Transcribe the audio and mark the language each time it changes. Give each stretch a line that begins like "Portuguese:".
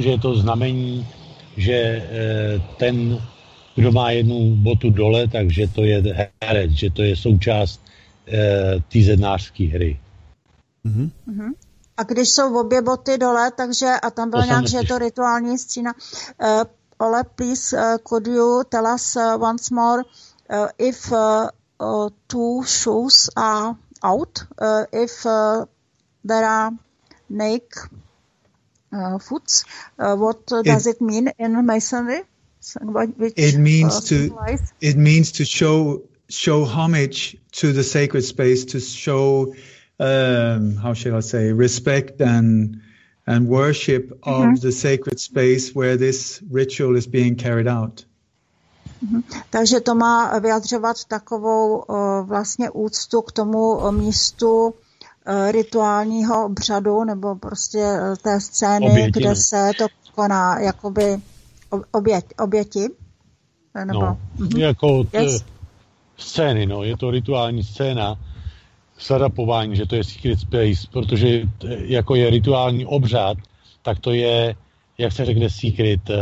Czech: Že je to znamení, že ten, kdo má jednu botu dole, takže to je herec, že to je součást té zednářské hry. Mhm. Mhm. A když jsou obě boty dole, takže, a tam bylo nějak, že je to rituální scína.
English: Ole, please, could you tell us once more if two shoes are out, if there are naked foots, what does it mean in Masonry? It means to show homage to the sacred space, to show... how shall I say, respect and worship of the sacred space where this ritual is being carried out.
Czech: Takže to má vyjadřovat takovou vlastně úctu k tomu místu rituálního obřadu nebo prostě té scény, obětiny. Kde se to koná, jakoby oběti. Nebo, jako scény, no, je to rituální scéna, sarapování, že to je
English: secret space,
Czech: protože jako je rituální obřad, tak to je, jak se řekne, secret...